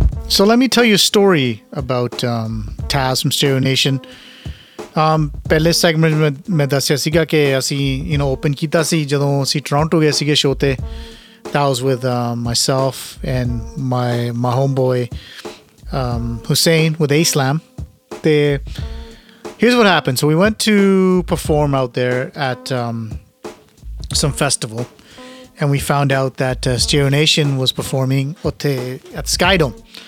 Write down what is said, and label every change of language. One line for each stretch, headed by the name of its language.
English: So let me tell you a story about Taz from Stereo Nation.
Punjabi: ਪਹਿਲੇ segment ਮੇਂ ਦੱਸਿਆ ਸੀ ਗਾ ਕੇ ਅਸੀਂ ਓਪਨ ਕੀਤਾ ਸੀ ਜਦੋਂ ਅਸੀਂ ਟੋਰਾਂਟੋ ਗਏ ਸੀਗੇ ਸ਼ੋ ਤੇ.
English: That was with myself and my homeboy Hussein with A-Slam. Here's what happened. So we went to perform out there at some festival, and we found out that Stereo Nation was performing ote at Sky Dome.